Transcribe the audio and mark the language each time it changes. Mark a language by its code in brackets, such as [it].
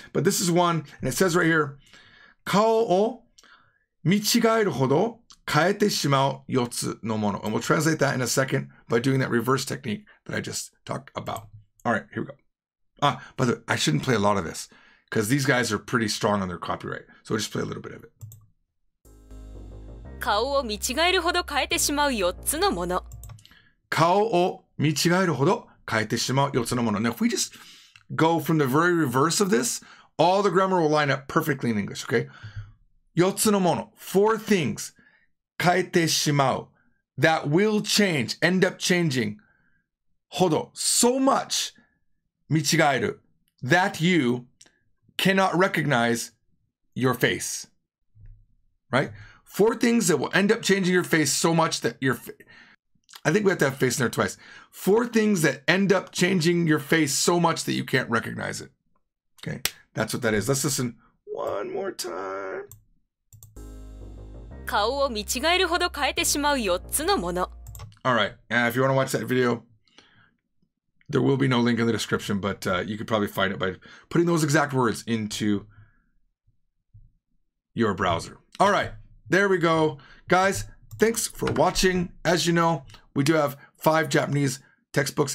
[en] But this is one, and it says right here, [ja] 顔を見違えるほど変えてしまう四つのもの。 [en] And we'll translate that in a second by doing that reverse technique that I just talked about. All right, here we go. Ah, by the way, I shouldn't play a lot of this. Because these guys are pretty strong on their copyright. So just play a little bit of it. [ja] 顔を見違えるほど変えてしまう4つのもの。顔を見違えるほど変えてしまう4つのもの。 [en] Now, if we just go from the very reverse of this, all the grammar will line up perfectly in English, okay? [ja] 4つのもの. [en] Four things [ja] 変えてしまう [en] that will change, end up changing [ja] ほど. [en] So much [ja] 見違える [en] that youcannot recognize your face, right? Four things that will end up changing your face so much that your I think we have to have face in there twice. Four things that end up changing your face so much that you can't recognize it. Okay, that's what that is. Let's listen one more time. [ja] 顔を見違えるほど変えてしまう4つのもの。 [en] All right, and if you want to watch that video,There will be no link in the description, but you could probably find it by putting those exact words into your browser. All right, there we go. Guys, thanks for watching. As you know, we do have 5 Japanese textbooks.